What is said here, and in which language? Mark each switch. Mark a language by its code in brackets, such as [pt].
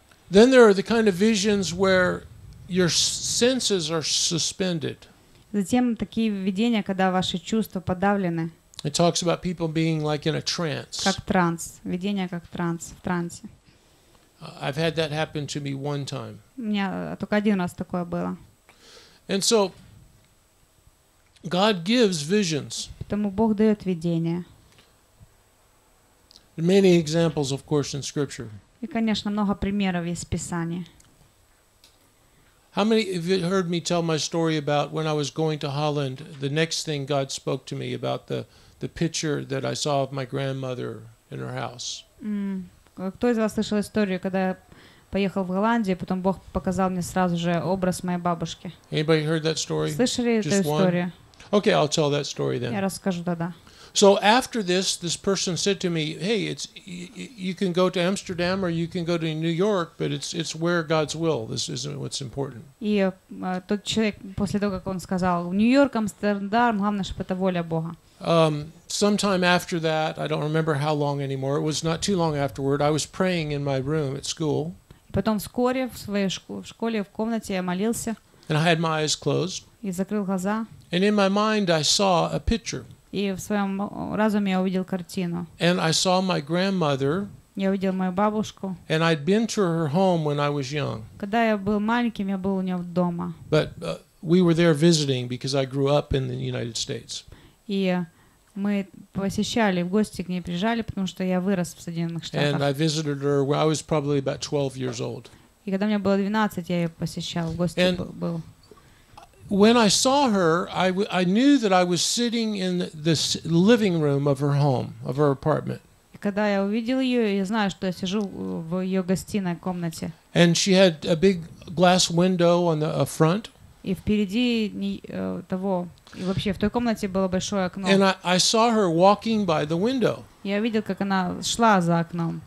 [en] Then there are the kind of visions where your senses are suspended. [ru] Затем такие видения, когда ваши чувства подавлены. [en] It talks about people being like in a trance. [ru] Как транс. Видение как транс, в трансе. [en] I've had that happen to me one time. [ru] У меня только один раз такое было. [en] And so God gives visions. [ru] Поэтому Бог дает видения. [en] Many examples, of course, in Scripture. [ru] И, конечно, много примеров из Писания. [en] How many of you heard me tell my story about when I was going to Holland, the next thing God spoke to me about the picture that I saw of my grandmother in her house? [ru] Кто из вас слышал историю, когда я поехал в Голландию, потом Бог показал мне сразу же образ моей бабушки? [en] Anybody heard that story? [ru] Слышали эту историю? [en] Okay, I'll tell that story then. [ru] Я расскажу тогда. [en] So after this person said to me, "Hey, it's you can go to Amsterdam or you can go to New York, but it's where God's will. This isn't what's important." [ru] И тот человек после того, как он сказал, Нью-Йорк, Амстердам, главное, чтобы это воля Бога. [en] Sometime after that, I don't remember how long anymore. It was not too long afterward. I was praying in my room at school. [ru] Потом вскоре в своей школе в комнате я молился. [en] And I had my eyes closed. [ru] И закрыл глаза. [en] And in my mind, I saw a picture. [ru] И в своем разуме я увидел картину. [en] And I saw my grandmother. [ru] Я увидел мою бабушку. [en] And I'd been to her home when I was young. [ru] Когда я был маленьким, я был у нее дома. [en] But we were there visiting because I grew up in the United States. [ru] И мы посещали, в гости к ней приезжали, потому что я вырос в Соединенных Штатах. [en] And I visited her when I was probably about 12 years old. [ru] И когда мне было 12, я ее посещал, в гости был. [en] When I saw her, I knew that I was sitting in this living room of her home, of her apartment. [ru] Когда я увидел ее, я знаю, что я сижу в ее гостиной комнате. [en] And she had a big glass window on the front. [ru] И впереди того, и вообще в той комнате было большое окно. [en] And I saw her walking by the window. [ru] Я видел, как она шла за окном.